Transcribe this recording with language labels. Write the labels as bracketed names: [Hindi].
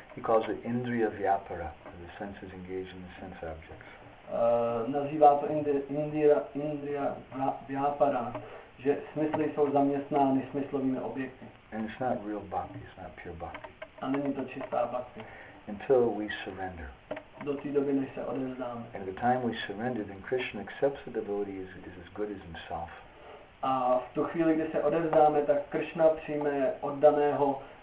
[English] He calls it indriya vyapara, the senses engaged in the sense objects. [Czech] Nazývá to indriya vyapara, že smysly jsou zaměstnány smyslovými objekty. [English] And it's not real bhakti, it's not pure bhakti. [Czech] A není to čistá bhakti. [English] Until we surrender. [Czech] Do té doby, než se odevzdáme. [English] And the time we surrender, then Krishna accepts the devotee is as good as himself. [Czech] A v tu chvíli, kdy se odevzdáme, tak Krishna přijme oddaného